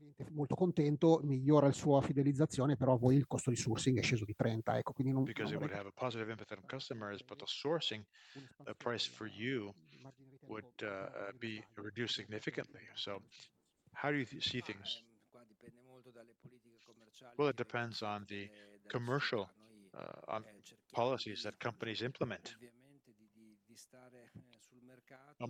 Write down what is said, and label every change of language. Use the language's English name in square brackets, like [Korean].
[Italian] Molto contento, migliora la sua fidelizzazione, però poi il costo di sourcing è sceso di 30, ecco, quindi non [English] because it would have a positive impact on customers, but the sourcing price for you would be reduced significantly. So how do you see things? [Italian] Dipende molto dalle politiche commerciali. [English] Well, it depends on the commercial on policies that companies implement. [Italian] Ovviamente di stare sul mercato.